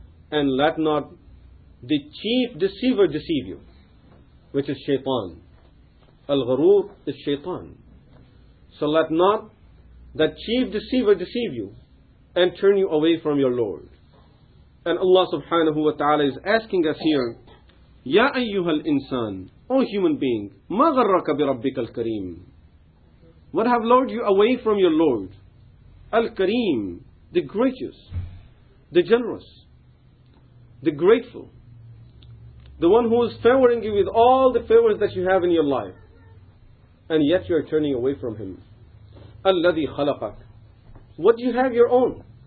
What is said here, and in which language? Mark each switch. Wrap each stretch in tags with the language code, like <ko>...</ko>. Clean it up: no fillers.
<en>And let not the chief deceiver deceive you, which is shaitan. Al-Gharur is shaitan. So let not that chief deceiver deceive you and turn you away from your Lord. And Allah subhanahu wa ta'ala is asking us here,</en> <ar>يَا أَيُّهَا الْإِنسَانِ.</ar> <en>O human being,</en> <ar>مَا غَرَّكَ بِرَبِّكَ الْكَرِيمِ.</ar> <en>What have lured you away from your Lord? Al-Kareem, the gracious, the generous, the grateful, the one who is favoring you with all the favors that you have in your life. And yet you are turning away from Him.</en> <ar>الَّذِي خَلَقَكَ.</ar> <en>What do you have your own?</en>